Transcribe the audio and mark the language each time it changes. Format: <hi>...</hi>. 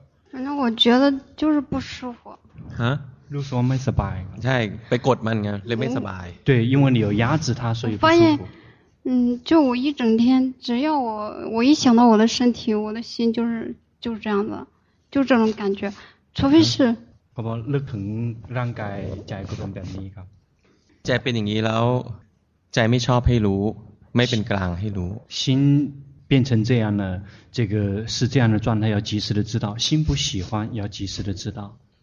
<zh>反正我觉得就是不舒服。啊？</zh> <th>รู้สึกไม่สบาย。 ใช่，ไปกดมันไง，เลยไม่สบาย。</th> <zh>对，因为你有压制它，所以不舒服。就我一整天，只要我一想到我的身体，我的心就是这样子，就这种感觉，除非是。</zh> <th>ก็เพราะเลือกถึงร่างกายใจก็เป็นแบบนี้ครับ。 ใจเป็นอย่างนี้แล้วใจไม่ชอบให้รู้ไม่เป็นกลางให้รู้</th> <zh>心变成这样了这个是这样的状态要及时的知道心不喜欢要及时的知道</zh>